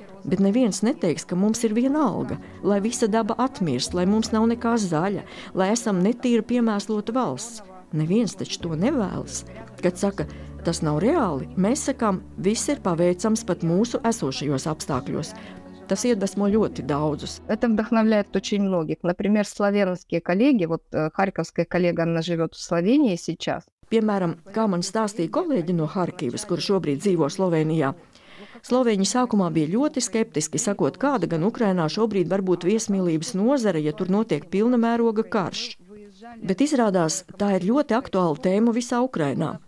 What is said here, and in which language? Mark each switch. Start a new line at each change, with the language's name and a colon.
Latvian: Bet neviens neteiks, ka mums ir viena alga, lai visa daba atmirst, lai mums nav nekā zaļa, lai esam netīra piemēslota valsts. Neviens taču to nevēlas. Kad saka, tas nav reāli, mēs sakām, viss ir paveicams pat mūsu esošajos apstākļos. Tas iedvesmo ļoti daudzus.
Russian: Это вдохновляет очень многих. Например, славянские коллеги, вот харьковская коллега, она живёт в Словении сейчас.
Latvian: Piemēram, kā man stāstīja kolēģi no Harkivas, kur šobrīd dzīvo Slovenijā. Slovēņi sākumā bija ļoti skeptiski, sakot, kāda gan Ukrainā šobrīd var būt viesmīlības nozara, ja tur notiek pilna mēroga karš. Bet izrādās, tā ir ļoti aktuāla tēma visā Ukrainā.